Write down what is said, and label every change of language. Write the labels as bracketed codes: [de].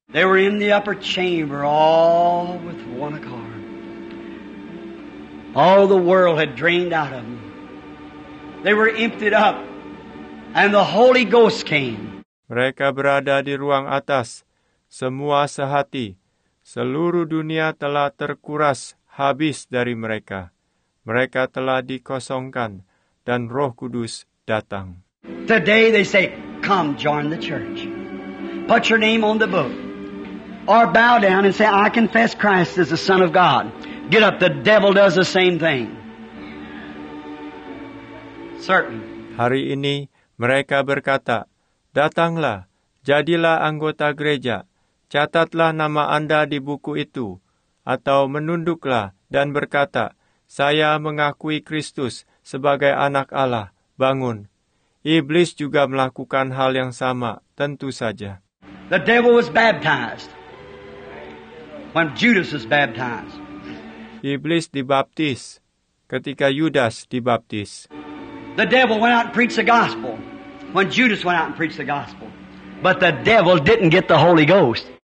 [en] They were in the upper chamber all with one accord. All the world had drained out of them. They were emptied up. And the Holy Ghost came. [id] Mereka berada di ruang atas, semua sehati. Seluruh dunia telah terkuras habis dari mereka. Mereka telah dikosongkan, dan Roh Kudus datang. [en] Today they say, come join the church. Put your name on the book. Or bow down and say, I confess Christ as the Son of God. Get up, the devil does the same thing. Certain. [id] Hari ini mereka berkata, datanglah, jadilah anggota gereja, catatlah nama Anda di buku itu, atau menunduklah dan berkata, saya mengakui Kristus sebagai anak Allah, bangun. Iblis juga melakukan hal yang sama, tentu saja. [en] The devil was baptized when Judas was baptized. [id] Iblis dibaptis ketika Yudas dibaptis. [en] The devil went out and preached the gospel. When Judas went out and preached the gospel, but the devil didn't get the Holy Ghost.